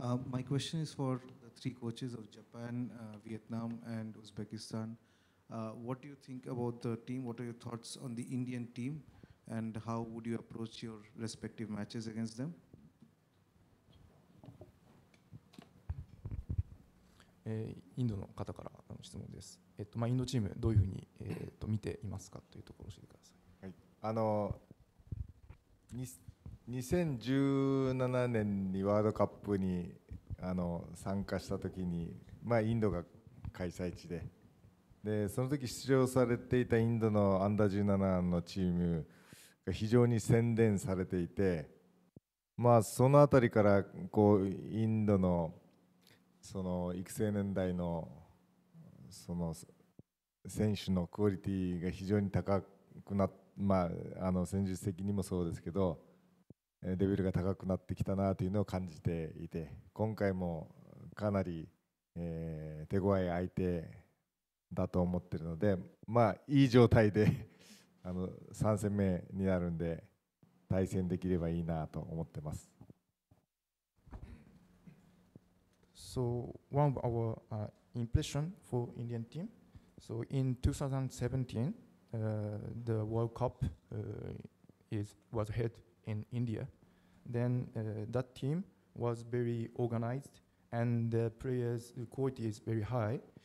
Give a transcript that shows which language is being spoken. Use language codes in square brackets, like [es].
[en] My question is for the three coaches of Japan, Vietnam, and Uzbekistan. What do you think about the team? What are your thoughts on the Indian team? And how would you approach your respective matches against them? [ja] インドの方からの質問です。まあ、インドチームどういうふうに、見ていますかというところを教えてください。はい。 2017年にワールドカップに参加したときに、まあ、インドが開催地 でその時出場されていたインドのアンダー17のチームが非常に宣伝されていて、まあ、そのあたりからこうインド その育成年代その選手のクオリティが非常に高くなって、まあ、戦術的にもそうですけどレベルが高くなってきたなというのを感じていて、今回もかなり手強い相手だと思っているので、まあいい状態で3戦目になるんで対戦できればいいなと思ってます。 [en] So one of our impression for Indian team, so in 2017 the World Cup was held in IndiaThen that team was very organized, and the players' quality is very high.